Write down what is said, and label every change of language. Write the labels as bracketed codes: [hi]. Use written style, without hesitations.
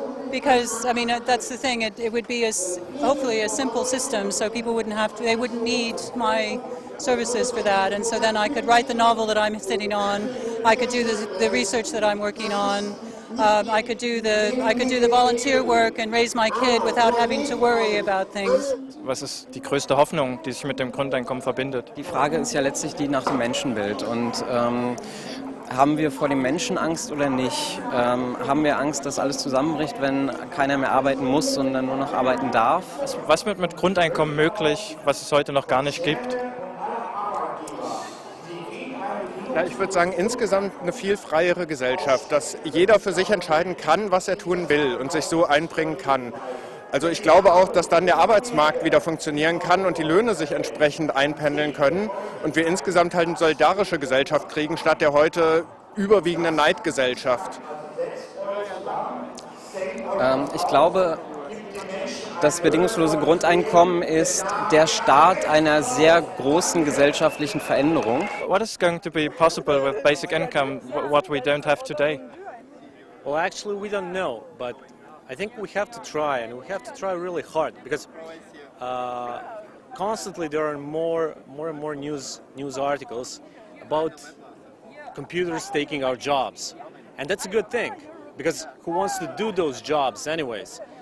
[en] Because, I mean, that's the thing, it would be hopefully a simple system, so people wouldn't have to, they wouldn't need my services for that, and so then I could write the novel that I'm sitting on, I could do the research that I'm working on, I could do the volunteer work and raise my kid without having to worry about things. [de] Was ist die größte Hoffnung, die sich mit dem Grundeinkommen verbindet? Die Frage ist ja letztlich die nach dem Menschenbild, und haben wir vor dem Menschen Angst oder nicht? Haben wir Angst, dass alles zusammenbricht, wenn keiner mehr arbeiten muss, sondern nur noch arbeiten darf? Was wird mit Grundeinkommen möglich, was es heute noch gar nicht gibt? Ja, ich würde sagen, insgesamt eine viel freiere Gesellschaft, dass jeder für sich entscheiden kann, was er tun will und sich so einbringen kann. Also ich glaube auch, dass dann der Arbeitsmarkt wieder funktionieren kann und die Löhne sich entsprechend einpendeln können und wir insgesamt halt eine solidarische Gesellschaft kriegen, statt der heute überwiegenden Neidgesellschaft. Ich glaube, das bedingungslose Grundeinkommen ist der Start einer sehr großen gesellschaftlichen Veränderung. [en] What is going to be possible with basic income, what we don't have today? Well, actually we don't know, but I think we have to try, and we have to try really hard, because constantly there are more and more news articles about computers taking our jobs, and that's a good thing, because who wants to do those jobs anyways?